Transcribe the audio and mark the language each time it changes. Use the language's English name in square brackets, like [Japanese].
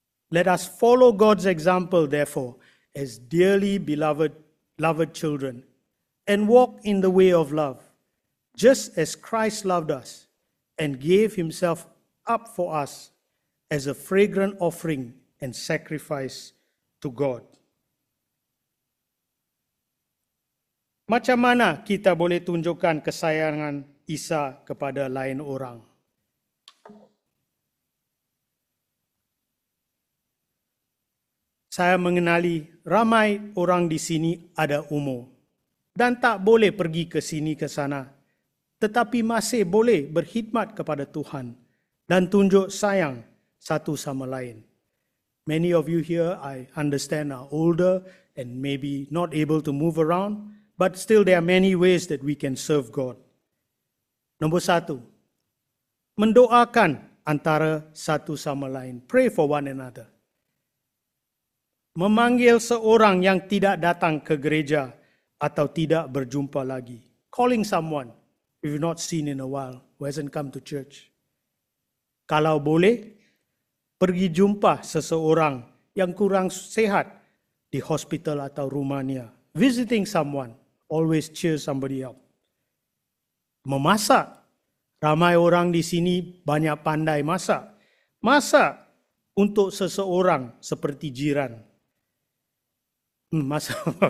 [English] Let us follow God's example, therefore, as dearly beloved children, and walk in the way of love, just as Christ loved us and gave himself up for us as a fragrant offering and sacrifice to God. [Malay] Macam mana kita boleh tunjukkan kesayangan Isa kepada lain orang. Saya mengenali ramai orang di sini ada umur dan tak boleh pergi ke sini ke sana, tetapi masih boleh berkhidmat kepada Tuhan dan tunjuk sayang satu sama lain. [English] Many of you here, I understand, are older and maybe not able to move around, but still there are many ways that we can serve God. [Malay] Nombor satu, mendoakan antara satu sama lain. [English] Pray for one another. [Malay] Memanggil seorang yang tidak datang ke gereja atau tidak berjumpa lagi. [English] Calling someone you've not seen in a while, who hasn't come to church. [Malay] Kalau boleh, pergi jumpa seseorang yang kurang sehat di hospital atau rumahnya. [English] Visiting someone always cheers somebody up. [Malay] Memasak. Ramai orang di sini banyak pandai masak. Masak untuk seseorang seperti jiran. Masak.